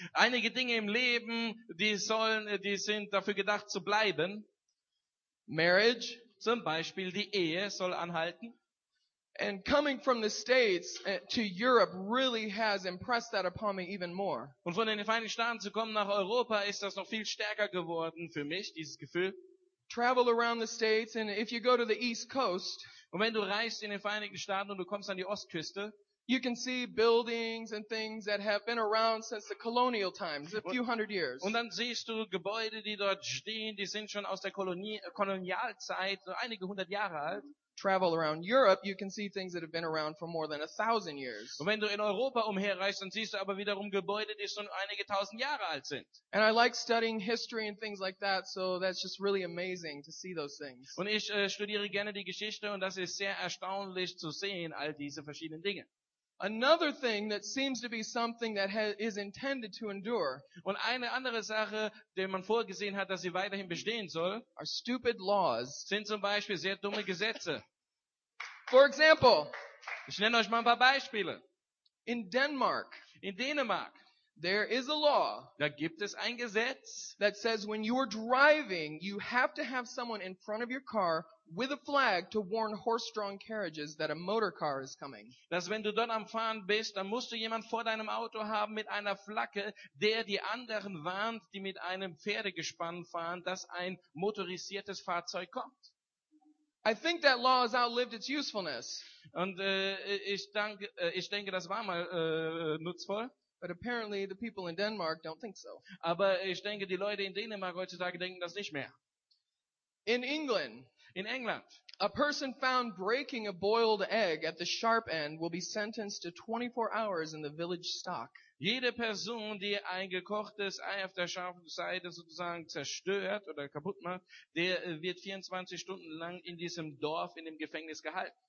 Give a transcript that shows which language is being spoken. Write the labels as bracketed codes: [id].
[de] Einige Dinge im Leben, die sind dafür gedacht zu bleiben. [en] Marriage, [de] zum Beispiel die Ehe, soll anhalten. [en] And coming from the States to Europe really has impressed that upon me even more. [de] Und von den Vereinigten Staaten zu kommen nach Europa ist das noch viel stärker geworden für mich, dieses Gefühl. [en] Travel around the States, and if you go to the East Coast, [de] und wenn du reist in den Vereinigten Staaten und du kommst an die Ostküste, [en] you can see buildings and things that have been around since the colonial times, a few hundred years. [de] Und dann siehst du Gebäude, die dort stehen, die sind schon aus der Kolonialzeit, so einige hundert Jahre alt. [en] Travel around Europe, you can see things that have been around for more than 1,000 years. [de] Und wenn du in Europa umherreist, dann siehst du aber wiederum Gebäude, die schon einige tausend Jahre alt sind. [en] And I like studying history and things like that, so that's just really amazing to see those things. [de] Und ich studiere gerne die Geschichte, und das ist sehr erstaunlich zu sehen, all diese verschiedenen Dinge. [en] Another thing that seems to be something that is intended to endure. [de] Und eine andere Sache, die man vorgesehen hat, dass sie weiterhin bestehen soll, [en] are stupid laws. [de] Sind zum Beispiel sehr dumme Gesetze. [en] For example, [de] ich nenne euch mal ein paar Beispiele. In Dänemark, [en] there is a law. [de] Da gibt es ein Gesetz, [en] that says when you are driving, you have to have someone in front of your car with a flag to warn horse-drawn carriages that a motor car is coming. [de] Dass wenn du dort am Fahren bist, dann musst du jemand vor deinem Auto haben mit einer Flagge, der die anderen warnt, die mit einem Pferdegespann fahren, dass ein motorisiertes Fahrzeug kommt. [en] I think that law has outlived its usefulness. [de] Und ich denke, das war mal nutzvoll. [en] But apparently the people in Denmark don't think so. [de] Aber ich denke, die Leute in Dänemark heutzutage denken das nicht mehr. [en] In England, a person found breaking a boiled egg at the sharp end will be sentenced to 24 hours in the village stock. [de] Jede Person, die ein gekochtes Ei auf der scharfen Seite sozusagen zerstört oder kaputt macht, der wird 24 Stunden lang in diesem Dorf, in dem Gefängnis gehalten.